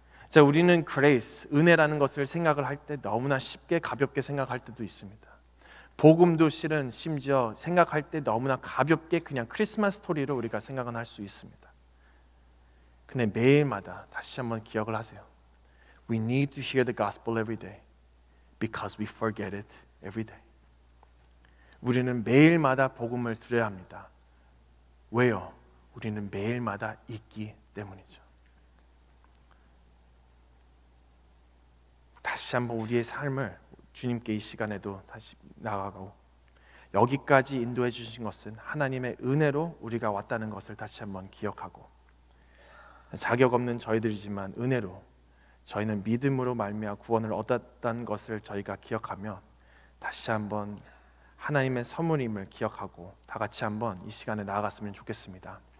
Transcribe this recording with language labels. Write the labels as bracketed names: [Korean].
[Korean] 자, 우리는 grace, 은혜라는 것을 생각을 할 때 너무나 쉽게 가볍게 생각할 때도 있습니다. 복음도 실은 심지어 생각할 때 너무나 가볍게 그냥 크리스마스 스토리로 우리가 생각은 할 수 있습니다. 근데 매일마다 다시 한번 기억을 하세요. [English] We need to hear the gospel every day because we forget it every day. [Korean] 우리는 매일마다 복음을 들어야 합니다. 왜요? 우리는 매일마다 잊기 때문이죠. 다시 한번 우리의 삶을 주님께 이 시간에도 다시 나아가고 여기까지 인도해 주신 것은 하나님의 은혜로 우리가 왔다는 것을 다시 한번 기억하고 자격 없는 저희들이지만 은혜로 저희는 믿음으로 말미암아 구원을 얻었다는 것을 저희가 기억하며 다시 한번 하나님의 선물임을 기억하고 다 같이 한번 이 시간에 나아갔으면 좋겠습니다.